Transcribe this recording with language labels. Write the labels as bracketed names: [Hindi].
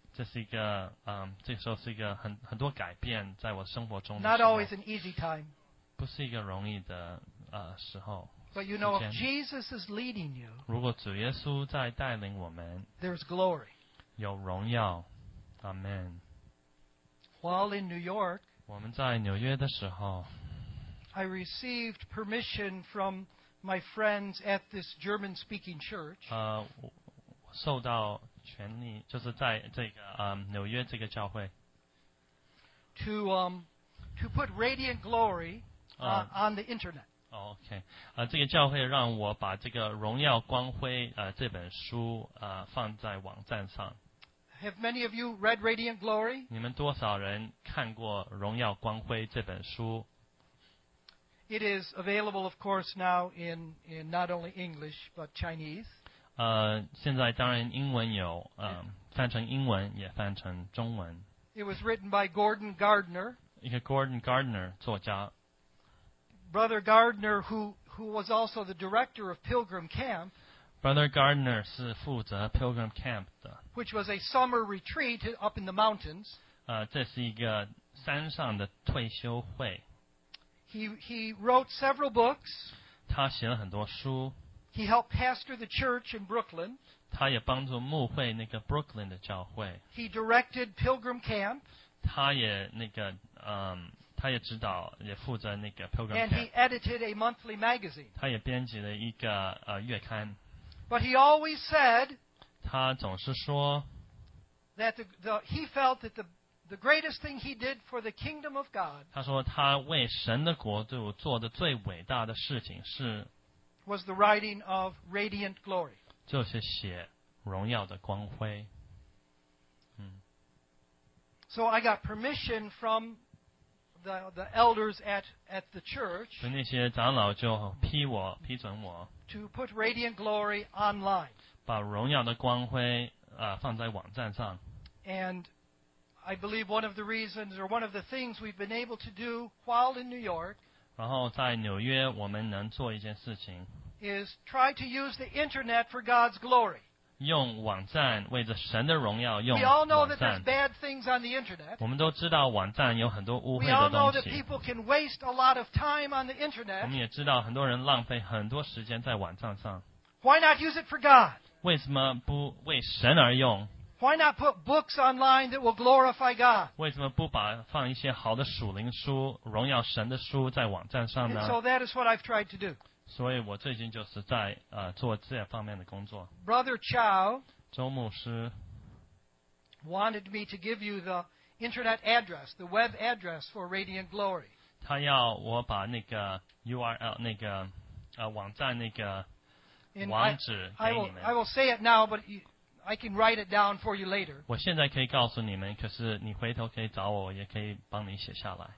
[Chinese] 这是一个这个时候是一个很多改变在我生活中的。 [English] Not always an easy time. [Chinese] 不是一个容易的时候。 [English] But you know, if Jesus is leading you, [Chinese] 如果主耶稣在带领我们 [English] there's glory. [Chinese] 有荣耀 Amen. [English] While in New York, [Chinese] 我们在纽约的时候 [English] I received permission from my friends at this German-speaking church. [Chinese] 受到权利就是在这个纽约这个教会 [English] to put radiant glory on the internet. [Chinese] OK, 这个教会让我把这个荣耀光辉这本书放在网站上。 [English] Have many of you read Radiant Glory? [Chinese] 你们多少人看过荣耀光辉这本书？ [English] It is available, of course, now in not only English, but Chinese. [Chinese] 现在当然英文有翻成英文也翻成中文。 [English] It was written by Gordon Gardner. [Chinese] 一个 Gordon Gardner 作家。 [English] Brother Gardner, who was also the director of Pilgrim Camp, [Chinese] Brother Gardner 是负责 Pilgrim Camp 的 [English] which was a summer retreat up in the mountains. [Chinese] 这是一个山上的退休会。 [English] He wrote several books. [Chinese] 他写了很多书。 [English] He helped pastor the church in Brooklyn. [Chinese] 他也帮助牧会那个 Brooklyn 的教会。 [English] He directed Pilgrim Camp. [Chinese] 他也那个他也指导，也负责那个 Pilgrim Camp。 [English] And he edited a monthly magazine. [Chinese] 他也编辑了一个月刊。 [English] But he always said, [Chinese] 他总是说 [English] that he felt that the greatest thing he did for the kingdom of God [Chinese] 他说他为神的国度做的最伟大的事情是 [English] was the writing of radiant glory [Chinese] 就是写荣耀的光辉。 [English] So I got permission from the elders at the church [Chinese] 所以那些长老就批准我 [English] to put radiant glory online [Chinese] 把荣耀的光辉放在网站上。 [English] And I believe one of the reasons or one of the things we've been able to do while in New York [Chinese] 然后在纽约我们能做一件事情 [English] is try to use the internet for God's glory [Chinese] 用网站为着神的荣耀用网站 [English] We all know that there's bad things on the internet. [Chinese] 我们都知道网站有很多污秽的东西 [English] We all know that people can waste a lot of time on the internet. [Chinese] 我们也知道很多人浪费很多时间在网站上 [English] Why not use it for God? [Chinese] 为什么不为神而用 [English] Why not put books online that will glorify God? [Chinese] 为什么不把放一些好的属灵书荣耀神的书在网站上呢 [English] And so that is what I've tried to do. [Chinese] 所以我最近就是在做这方面的工作。 [English] Brother Chow, [Chinese] 周牧师 [English] wanted me to give you the internet address, the web address for Radiant Glory. [Chinese] 他要我把那个 URL 那个网站那个网址给你们。 [English] I will say it now, but I can write it down for you later. [Chinese] 我现在可以告诉你们，可是你回头可以找我，我也可以帮你写下来。